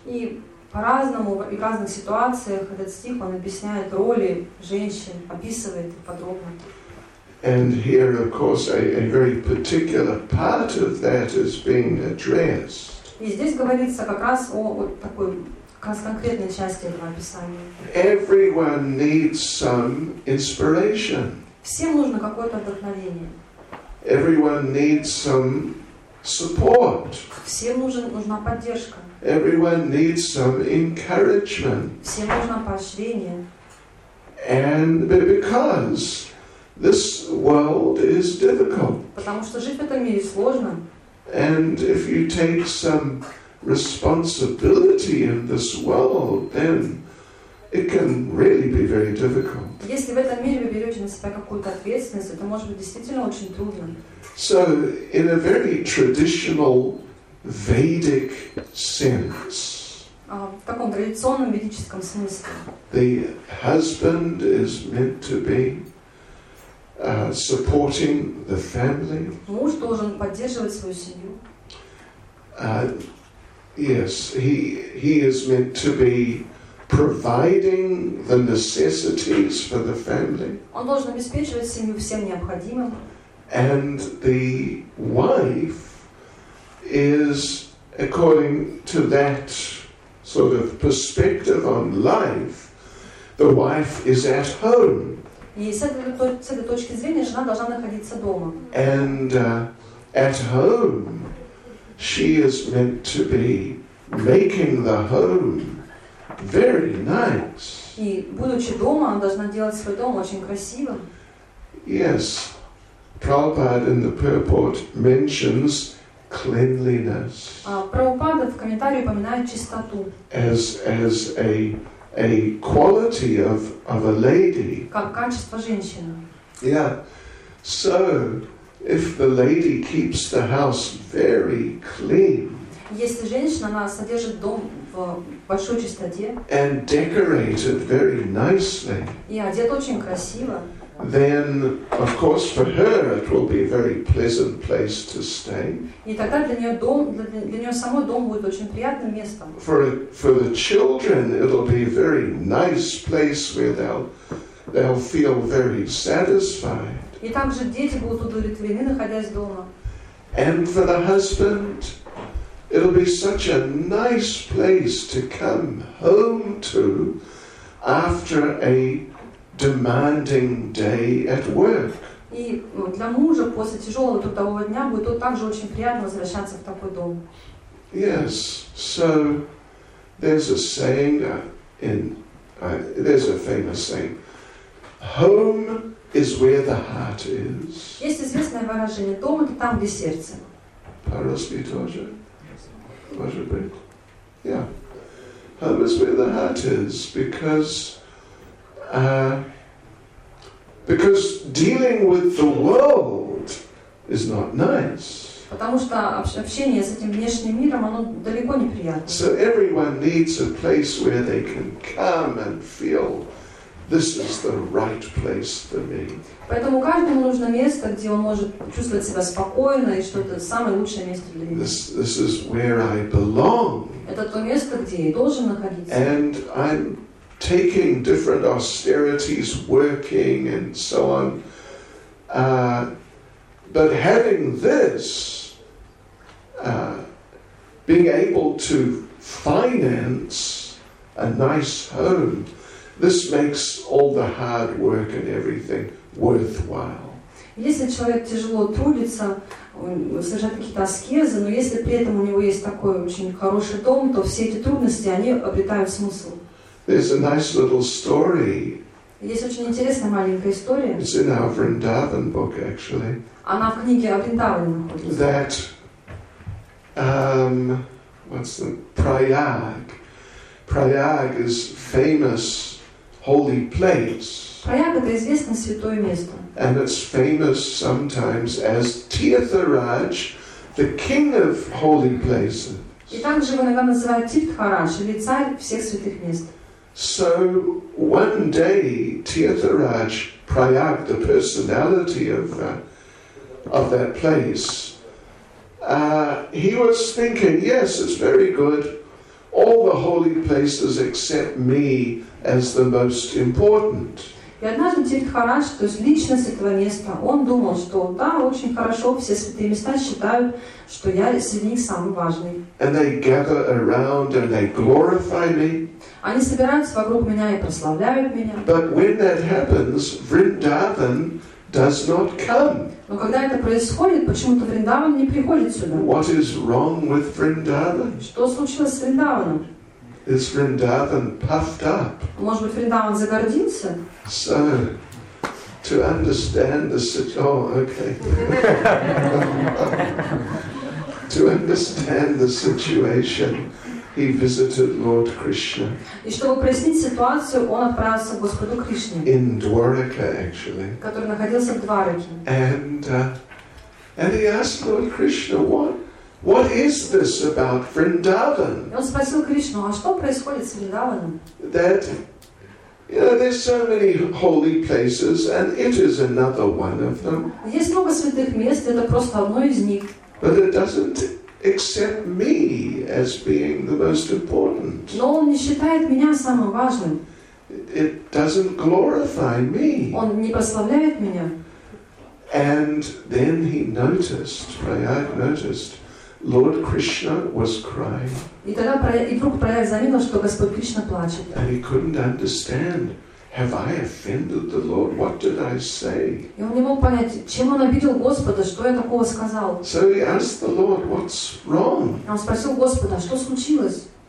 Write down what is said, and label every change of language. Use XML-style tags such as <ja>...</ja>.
<ru>И по-разному и в разных ситуациях этот стих он объясняет роли женщин, описывает их подробно.</ru> <en>And here, of course, a very particular part of that is being addressed.</en> <ru>И здесь говорится как раз о вот такой как раз конкретной части этого описания.</ru> <en>Everyone needs some inspiration.</en> <ru>Всем нужно какое-то вдохновение.</ru> <en>Everyone needs some support.</en> <ru>Всем нужна поддержка.</ru> <en>Everyone needs some encouragement.</en> <ru>Всем нужно поощрение.</ru> <en>And because this world is difficult.</en> <ru>Потому что жить в этом мире сложно.</ru> <en>And if you take some responsibility in this world, then it can really be very difficult.</en> <ru>Если в этом мире вы берете на себя какую-то ответственность, это может быть действительно очень трудно.</ru> <en>So, in a very traditional Vedic sense,</en> <ru>в таком традиционном ведическом смысле,</ru> <en>the husband is meant to be supporting the family.</en> <ru>Муж должен поддерживать свою семью.</ru> <en>Yes, he is meant to be providing the necessities for the family.</en> <ru>Он должен обеспечивать семью всем необходимым.</ru> <en>And the wife is, according to that sort of perspective on life, the wife is at home.</en> <ru>И с этой точки зрения жена должна находиться дома.</ru> <en>And at home, she is meant to be making the home very nice.</en> <ru>И будучи дома, она должна делать свой дом очень красивым.</ru> <en>Yes, Prabhupada in the purport mentions cleanliness.</en> <ru>Prabhupada в комментарии упоминает чистоту.</ru> <en>As a quality of a lady.</en> <ru>Как качество женщины.</ru> <en>Yeah, so if the lady keeps the house very clean.</en> <ru>Если женщина, она содержит дом в большой чистоте.</ru> <en>And decorated very nicely.</en> <ru>И одет очень красиво.</ru> <en>Then, of course, for her it will be a very pleasant place to stay.</en> <ru>И тогда для нее самой дом будет очень приятным местом.</ru> <en>For the children, it'll be a very nice place where they'll feel very satisfied.</en> <ru>И также дети будут удовлетворены, находясь дома.</ru> <en>And for the husband, it'll be such a nice place to come home to after a demanding day at work.</en> <ru>И для мужа после тяжелого трудового дня будет также очень приятно возвращаться в такой дом.</ru> <en>Yes, so there's a saying there's a famous saying, home is where the heart is.</en> <ru>Есть известное выражение, дом это там, где сердце. По-русски тоже, может быть.</ru> <en>Yeah, home is where the heart is, because dealing with the world is not nice.</en> <ru>Потому что общение с этим внешним миром, оно далеко не приятно.</ru> <en>So everyone needs a place where they can come and feel this is the right place for me.</en> <ru>Поэтому каждому нужно место, где он может чувствовать себя спокойно и что это самое лучшее место для него.</ru> <en>This is where I belong.</en> <ru>Это то место, где я должен находиться.</ru> <en>And I'm taking different austerities, working and so on, but having this, being able to finance a nice home, this makes all the hard work and everything worthwhile.</en> <ru>Если человек тяжело трудится, совершает какие-то аскезы, но если при этом у него есть такой очень хороший дом, то все эти трудности они обретают смысл.</ru> <en>There's a nice little story.</en> <ru>Есть очень интересная маленькая история.</ru> <en>It's in our Vrindavan book, actually.</en> <ru>Она в книге о Вриндаване находится.</ru> <en>That, what's the Prayag? Prayag is famous holy place.</en> <ru>Прайаг это известное святое место.</ru> <en>And it's famous sometimes as Tirtharaj, the king of holy places.</en> <ru>И также его иногда называют Тиртхарадж или царь всех святых мест.</ru> <en>So one day, Tirtharaj Prayag, the personality of that place, he was thinking, yes, it's very good. All the holy places accept me as the most important.</en> <ru>И однажды Тирхарадж, то есть личность этого места, он думал, что да, очень хорошо, все святые места считают, что я среди них самый важный.</ru> <en>And they gather around and they glorify me.</en> <ru>Они собираются вокруг меня и прославляют меня.</ru> <en>But when that happens, Vrindavan does not come.</en> <ru>Но когда это происходит, почему-то Вриндаван не приходит сюда.</ru> <en>What is wrong with Vrindavan?</en> <ru>Что случилось с Вриндаваном?</ru> <en>Is Vrindavan puffed up?</en> <ru>Может быть, Вриндаван загордился?</ru> <en>So, to understand the situation, okay. To understand the situation, he visited Lord Krishna.</en> <ru>И чтобы прояснить ситуацию, он отправился к Господу Кришне.</ru> <en>In Dwaraka, actually.</en> <ru>Который находился в Двараке.</ru> <en>And he asked Lord Krishna, What is this about Vrindavan?</en> <ru>Он спросил Кришну, а что происходит с Вриндаваном?</ru> <en>That, you know, there's so many holy places, and it is another one of them.</en> <ru>Есть много святых мест, это просто одно из них.</ru> <en>But it doesn't accept me as being the most important.</en> <ru>Но он не считает меня самым важным.</ru> <en>It doesn't glorify me.</en> <ru>Он не прославляет меня.</ru> <en>And then he noticed, Prayag noticed, Lord Krishna was crying.</en> <ru>И тогда вдруг Прояг заметил, что Господь Кришна плачет.</ru> <en>And he couldn't understand. Have I offended the Lord? What did I say?</en> <ru>И он не мог понять, чем он обидел Господа, что я такого сказал.</ru> <en>So he asked the Lord, what's wrong?</en> <ru>Он спросил Господа, что случилось?</ru>